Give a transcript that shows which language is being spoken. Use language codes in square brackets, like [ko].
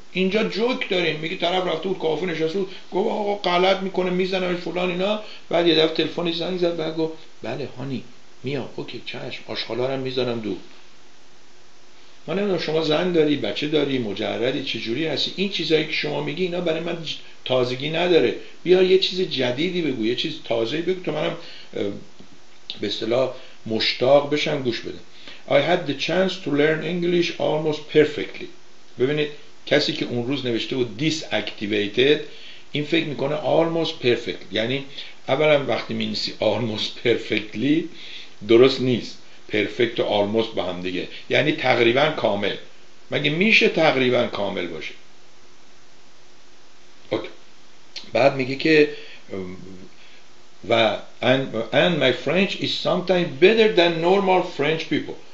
[fa] اینجا جوک داریم، میگه طرف رفته بود کافه نشسته بود، گفت آقا غلط میکنه میزنم فلان اینا، بعد یه دفعه تلفن زنگ زد بعد گفت بله هانی میام، اوکی چشم، آشغالا رو میذارم دو. من نمیدونم شما زن داری، بچه داری، مجردی، چه جوری هستی؟ این چیزایی که شما میگی اینا برای من تازگی نداره. بیا یه چیز جدیدی بگو، یه چیز تازه‌ای بگو تو منم به اصطلاح مشتاق بشم گوش بده. [en] I had the chance to learn English almost perfectly. [fa] ببینید کسی که اون روز نوشته بود disactivated، این فکر میکنه [en] almost perfect، [fa] یعنی اولا وقتی می‌نویسی [en] almost perfectly [fa] درست نیست، perfect و almost با هم دیگه، یعنی تقریبا کامل. مگه میشه تقریبا کامل باشه؟ بعد میگه که و [en] and my French is sometimes better than normal French people.